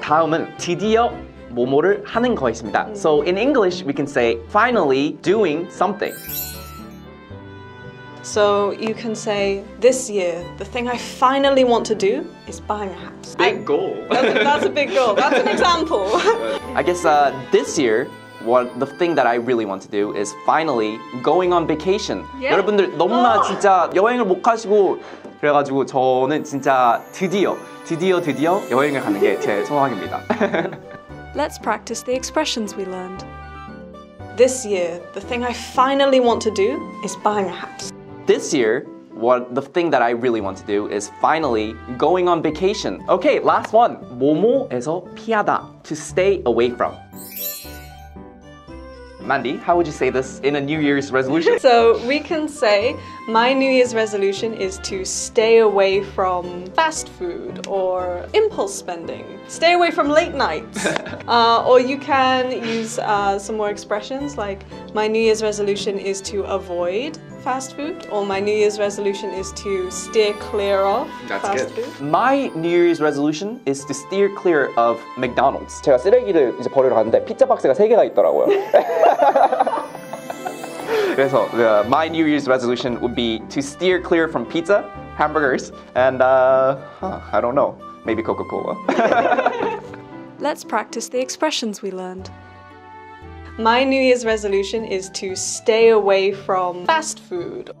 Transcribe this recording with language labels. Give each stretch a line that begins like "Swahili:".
Korean: 다음은 드디어 뭐뭐를 하는 거였습니다.
English: So in English, we can say finally doing something. So you can say, this year, the thing I finally want to do is buying a house. Big goal. That's a big goal. That's an example. I guess this year, What the thing that I really want to do is finally going on vacation. Yeah.
Korean: 여러분들 너무나 진짜 여행을 못 가시고 그래가지고 저는 진짜 드디어 여행을 가는 게 제 소망입니다.
English: Let's practice the expressions we learned. This year, the thing I finally want to do is buying a house. This year, what the thing that I really want to do is finally going on vacation. Okay, last one.
Korean: 뭐뭐에서 피하다.
English: To stay away from. Mandy, how would you say this in a New Year's resolution? So we can say my New Year's resolution is to stay away from fast food or impulse spending. Stay away from late nights. or you can use some more expressions like my New Year's resolution is to avoid fast food or my New Year's resolution is to steer clear of fast food. My New Year's resolution is to steer clear of McDonald's.
Korean: 제가 쓰레기를 이제 버리러 갔는데 피자 박스가 세 개가 있더라고요. 그래서
English: my New Year's resolution would be to steer clear from pizza, hamburgers, and I don't know, maybe Coca-Cola. Let's practice the expressions we learned. My New Year's resolution is to stay away from fast food.